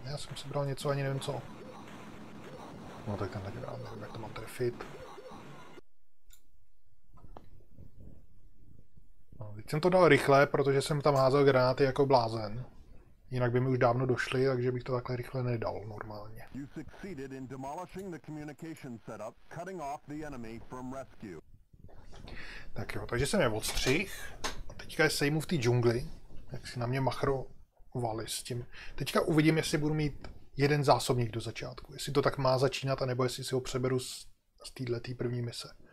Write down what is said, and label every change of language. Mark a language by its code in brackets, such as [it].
[cs] Já jsem si bral něco, ani nevím co. No tak tenhle granát, nevím, jak to mám trefit. No, teď jsem to dal rychle, protože jsem tam házel granáty jako blázen. Jinak by mi už dávno došli, takže bych to takhle rychle nedal normálně. [en] You succeeded in demolishing the communication setup, cutting off the enemy from rescue. [cs] Tak jo, takže jsem je odstřih. A teďka je sejmu v té džungli, jak si na mě machrovali s tím. Teďka uvidím, jestli budu mít jeden zásobník do začátku. Jestli to tak má začínat, anebo jestli si ho přeberu z této první mise.